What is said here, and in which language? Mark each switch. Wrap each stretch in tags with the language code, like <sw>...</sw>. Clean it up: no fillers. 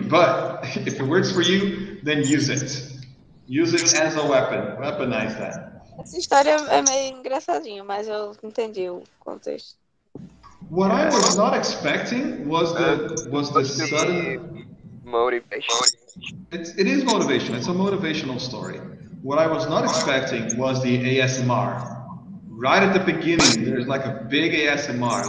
<en>But if it works for you, then use it. Use it as a weapon. Weaponize that.</en> <pt>Essa história é meio engraçadinha, mas eu entendi o contexto.</pt> <en>What I was not expecting was the sudden motivation. It is motivation. It's a motivational story. What I was not expecting was the ASMR. Right at the beginning, there's like a big ASMR.</en>